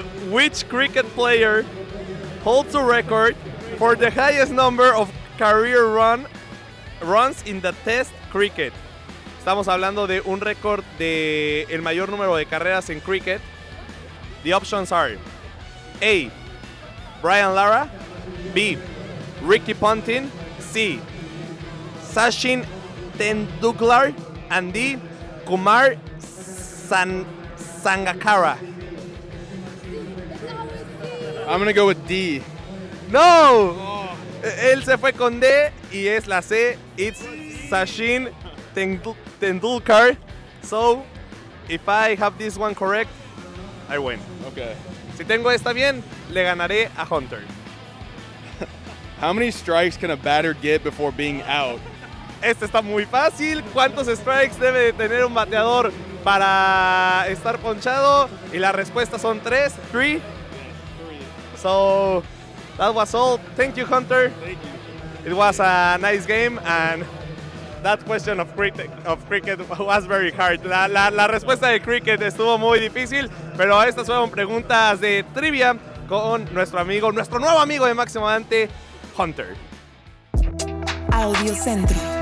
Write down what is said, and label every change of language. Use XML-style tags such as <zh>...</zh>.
<en>Which cricket player holds a record for the highest number of career runs in the Test cricket?</en> <es>Estamos hablando de un récord de el mayor número de carreras en cricket.</es> <en>The options are A. Brian Lara. B. Ricky Ponting. C. Sachin Tendulkar. And D. Kumar Sangakkara. I'm gonna go with D.</en> <es>No! Oh. Él se fue con D y es la C.</es> <en>It's Sachin Tendulkar. So, if I have this one correct, I win. Okay.</en> <es>Si tengo esta bien, le ganaré a Hunter.</es> <en>How many strikes can a batter get before being out?</en> <es>Este está muy fácil. ¿Cuántos strikes debe tener un bateador para estar ponchado? Y la respuesta son tres.</es> <en>Three. So, that was all. Thank you, Hunter. Thank you. It was a nice game and that question of cricket was very hard.</en> <es>La respuesta de cricket estuvo muy difícil, pero estas fueron preguntas de trivia con nuestro nuevo amigo de Máximo Avante, Hunter. Audio Centro.</es>